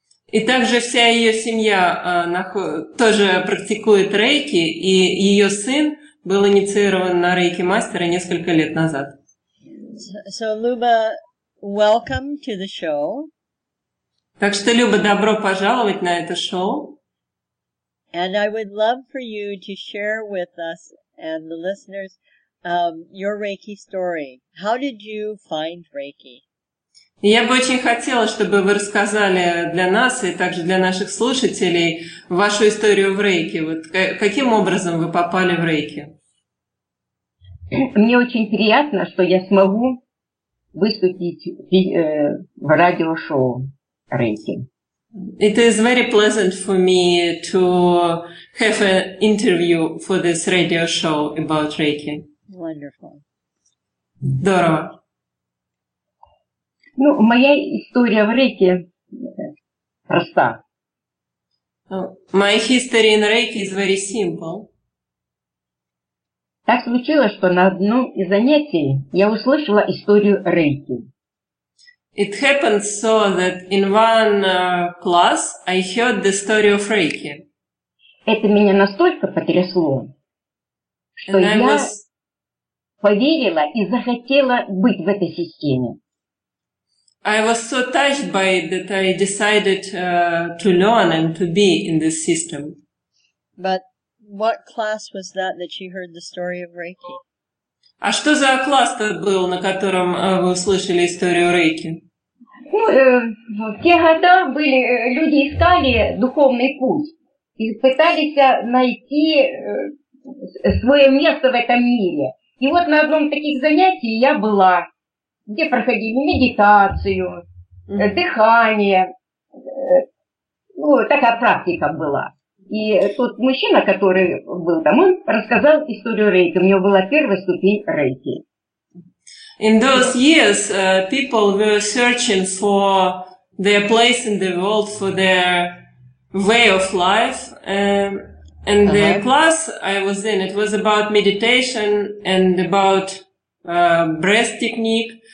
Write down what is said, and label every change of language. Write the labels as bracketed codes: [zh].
[ru] И также вся ее семья тоже практикует Рейки, и ее сын был инициирован на Рейки мастера несколько лет назад. [en] So, Luba, welcome to the show. [ru] Так что, Люба, добро пожаловать на это шоу. [en] And I would love for you to share with us and the listeners your Reiki story. How did you find Reiki? [ru] Я бы очень хотела, чтобы вы рассказали для нас и также для наших слушателей вашу историю в Рейки. Вот каким образом вы попали в Рейки? Мне очень приятно, что я смогу выступить в радиошоу Рейки. [en] It is very pleasant for me to have an interview for this radio show about Reiki. Wonderful. [ru] Здорово. Ну, моя история в Рейки проста. [en] My history in Reiki is very simple. [ru] Так случилось, что на одном из занятий я услышала историю Рейки. [en] It happened so that in one class I heard the story of Reiki. [ru] Это меня настолько потрясло, что я поверила и захотела быть в этой системе. [en] I was so touched by it that I decided to learn and to be in this system. But what class was that that she heard the story of Reiki? [ru] А что за класс-то был, на котором вы услышали историю Рейки? Ну, в те годы были, люди искали духовный путь и пытались найти свое место в этом мире. И вот на одном из таких занятий я была, где проходили медитацию, дыхание, ну, такая практика была. И тот мужчина, который был там, он рассказал историю Рейки. У него была первая ступень Рейки. [en] In those years, people were searching for their place in the world, for their way of life. And the class I was in, it was about meditation and about breath technique.